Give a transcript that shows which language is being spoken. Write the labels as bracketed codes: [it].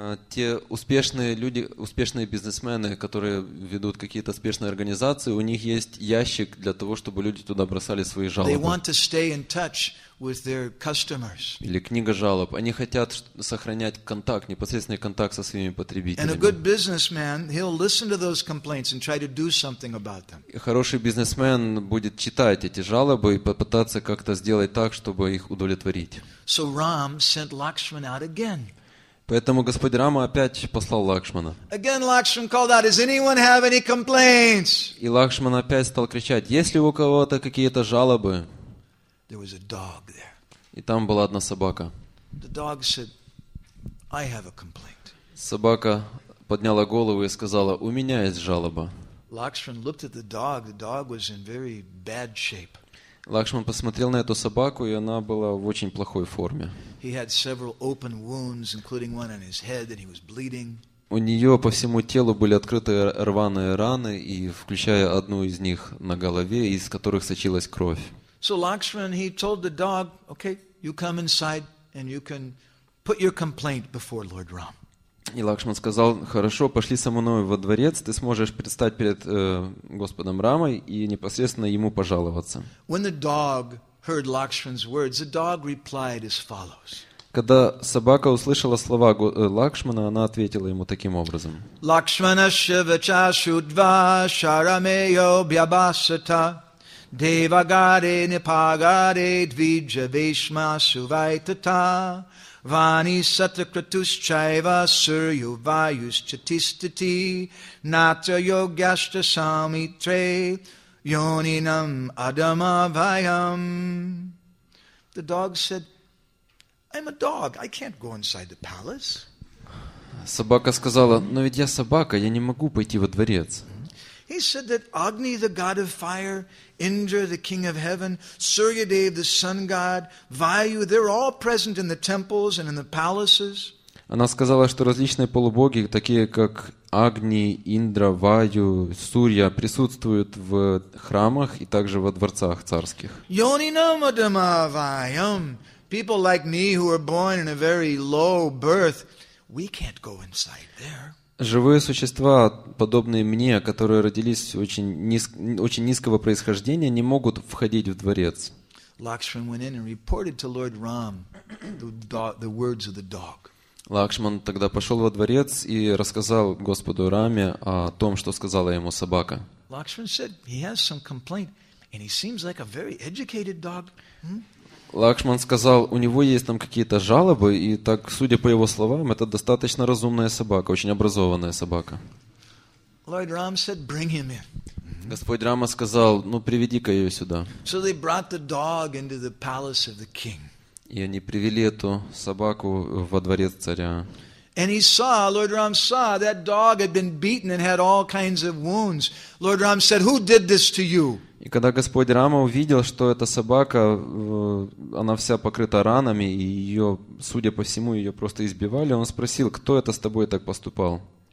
[ru] Те успешные люди, успешные бизнесмены, которые ведут какие-то успешные организации, у них есть ящик для того, чтобы люди туда бросали свои жалобы. [en] They want to stay in touch with their customers. [ru] Или книга жалоб. Они хотят сохранять контакт, непосредственный контакт со своими потребителями. [en] And a good businessman, he'll listen to those complaints and try to do something about them. [ru] Хороший бизнесмен будет читать эти жалобы и попытаться как-то сделать так, чтобы их удовлетворить. [en] So Ram sent Lakshman out again. [ru] Поэтому Господь Рама опять послал Лакшмана. [en] Again, Lakshman called out, "Does anyone have any complaints?" [ru] И Лакшман опять стал кричать: "Есть ли у кого-то какие-то жалобы?" [en] There was a dog there. [ru] И там была одна собака. [en] The dog said, "I have a complaint." [ru] Собака подняла голову и сказала: "У меня есть жалоба." [en] Lakshman looked at the dog. The dog was in very bad shape. [ru] Лакшман посмотрел на эту собаку, и она была в очень плохой форме. [en] He had several open wounds, including one on his head, and he was bleeding. [ru] У нее по всему телу были открыты рваные раны, и включая одну из них на голове, из которых сочилась кровь. [en] So Lakshman, he told the dog, "Okay, you come inside and you can put your complaint before Lord Ram." [ru] И Лакшман сказал: "Хорошо, пошли со мной во дворец, ты сможешь предстать перед Господом Рамой и непосредственно ему пожаловаться." [en] When the dog heard Lakshman's words, the dog replied as follows. [ru] Когда собака услышала слова Лакшмана, она ответила ему таким образом. [sa] Lakshmana shivacha shudva sharameyo byabhasata devagare nipagare dvijaveshma suvaitata Vani satakratus chaiva suryu vayus chatistati nata yogyashta samitre yoninam adama vayam. [en] The dog said, "I'm a dog. I can't go inside the palace." [ru] Собака сказала: "Но ведь я собака, я не могу пойти во дворец." [en] He said that Agni, the god of fire, Indra, the king of heaven, Suryadev, the sun god, Vayu, they're all present in the temples and in the palaces. [ru] Она сказала, что различные полубоги, такие как Агни, Индра, Ваю, Сурья, присутствуют в храмах и также во дворцах царских. [sa] Yoninam adama vayam. [en] People like me who were born in a very low birth, we can't go inside there. [ru] Живые существа, подобные мне, которые родились очень низкого происхождения, не могут входить в дворец. [en] Lakshman went in and reported to Lord Ram the words of the dog. [ru] Лакшман тогда пошел во дворец и рассказал Господу Раме о том, что сказала ему собака. [en] Lakshman said he has some complaint and he seems like a very educated dog. [ru] Лакшман сказал, у него есть там какие-то жалобы, и так, судя по его словам, это достаточно разумная собака, очень образованная собака. [en] Lord Ram said, "Bring him in." [ru] Господь Рама сказал, ну приведи-ка ее сюда. [en] So they brought the dog into the palace of the king. [ru] И они привели эту собаку во дворец царя. [en] And he saw, Lord Ram saw, that dog had been beaten and had all kinds of wounds. Lord Ram said, "Who did this to you?" [ru] И когда Господь Рама увидел, что эта собака, она вся покрыта ранами, и ее, судя по всему, ее просто избивали, он спросил, кто это с тобой так поступал?